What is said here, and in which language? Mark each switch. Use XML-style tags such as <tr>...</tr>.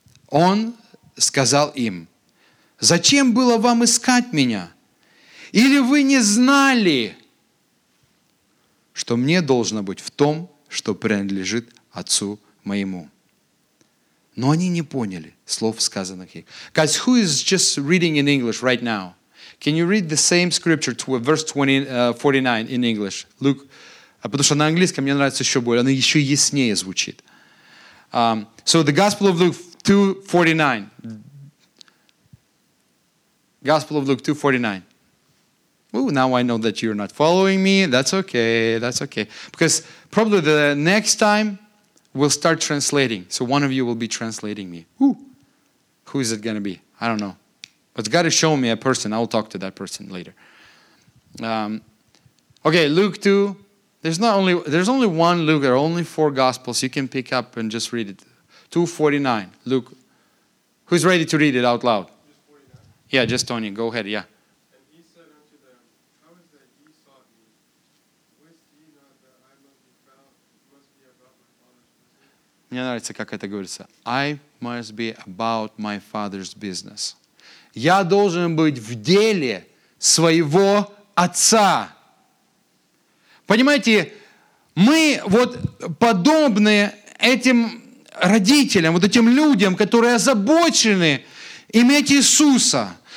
<ru>Он сказал им, зачем было вам искать меня? Или вы не знали, что мне должно быть в том, что принадлежит отцу моему? Но они не поняли слов, сказанных им.</ru> <en>Guys, who is just reading in English right now? Can you read the same scripture, verse 49 in English?</en> <ru>Luke, потому что на английском мне нравится еще более, оно еще яснее звучит.</ru> <en>So the Gospel of Luke 2:49. Gospel of Luke 2:49. Ooh, now I know that you're not following me. That's okay. Because probably the next time we'll start translating. So one of you will be translating me. Ooh. Who is it going to be? I don't know. But God has shown me a person. I'll talk to that person later. Okay, Luke 2. There's only one Luke. There are only 4 Gospels. You can pick up and just read it. 2:49. Luke. Who's ready to read it out loud? Yeah, just Tony. Go ahead. Yeah. And he said unto them, how is that ye sought me? Wist ye not that I must be about my father's business?</en> <ru>Мне нравится, как это говорится.</ru> <en>I must be about my father's business.</en> <ru>Я должен быть в деле своего отца. Понимаете, мы вот подобны этим родителям, вот этим людям, которые озабочены иметь Иисуса.</ru>